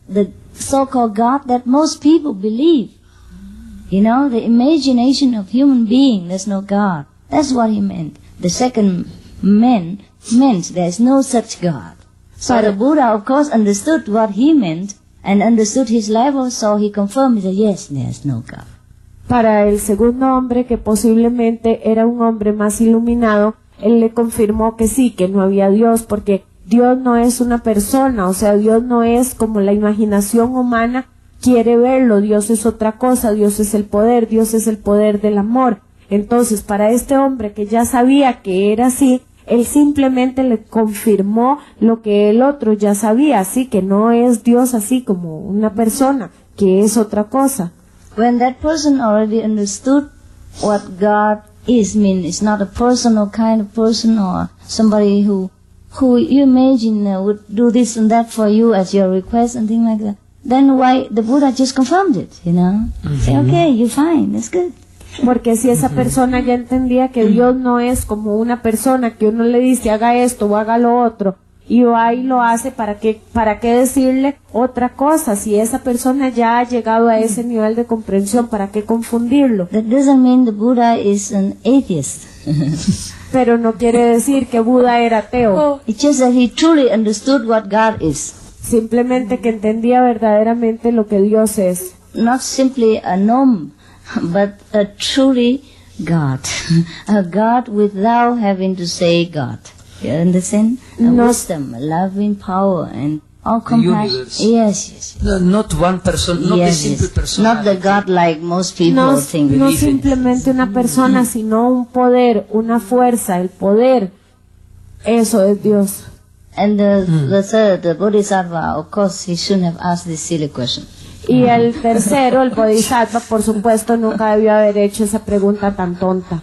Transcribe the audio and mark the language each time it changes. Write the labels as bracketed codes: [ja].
[en] The so-called God that most people believe. You know, the imagination of human being, there's no God. That's what he meant. The second man meant there's no such God. So the Buddha, of course, understood what he meant and understood his level, so he confirmed that yes, there's no God. [es] Para el segundo hombre, que posiblemente era un hombre más iluminado, él le confirmó que sí, que no había Dios, porque Dios no es una persona, o sea, Dios no es como la imaginación humana quiere verlo. Dios es otra cosa, Dios es el poder, Dios es el poder del amor. Entonces, para este hombre que ya sabía que era así, él simplemente le confirmó lo que el otro ya sabía, así que no es Dios así como una persona, que es otra cosa. [en] When that person already understood what God is, mean it's not a personal kind of person or somebody who you imagine would do this and that for you as your request and things like that. Then why the Buddha just confirmed it, you know? Mm-hmm. Say, okay, you're fine, it's good. [es] Porque si esa persona ya entendía que Dios no es como una persona que uno le dice haga esto o haga lo otro y va y lo hace, ¿para qué decirle otra cosa? Si esa persona ya ha llegado a ese nivel de comprensión, ¿para qué confundirlo? [en] That doesn't mean the Buddha is an atheist. [es] Pero no quiere decir que Buda era ateo. [en] It's just that he truly understood what God is. [es] Simplemente que entendía verdaderamente lo que Dios es. [en] Not simply a gnome, but a truly God. A God without having to say God. You understand? Wisdom, a loving power, and all compassion. The universe. Yes, yes, yes. Not one person, not yes, a simple yes. person. Not the God like most people no, think. [es] No simplemente una persona, sino un poder, una fuerza, el poder. Eso es Dios. [en] And the third, the Bodhisattva, of course, he shouldn't have asked this silly question. [es] Y el tercero, el Bodhisattva, por supuesto, nunca debió haber hecho esa pregunta tan tonta.